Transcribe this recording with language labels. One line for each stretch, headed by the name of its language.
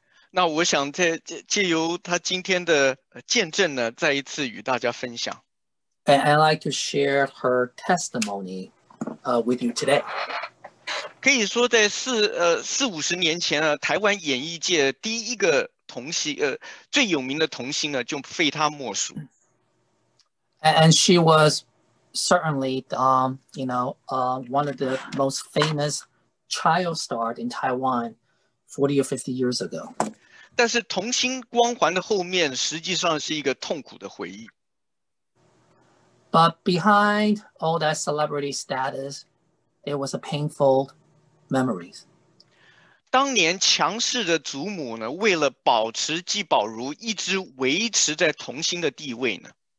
Chinese: 那我想在借由他今天的见证呢，再一次与大家分享。
English: And I'd like to share her testimony with you today.
Chinese: 可以说在四五十年前啊，台湾演艺界第一个童星最有名的童星呢，就非他莫属。
English: And she was certainly one of the most famous child stars in Taiwan 40 or 50 years ago.
Chinese: 但是童星光环的后面实际上是一个痛苦的回忆。
English: But behind all that celebrity status, there was a painful memories.
Chinese: 当年强势的祖母呢，为了保持纪宝如一直维持在童星的地位呢。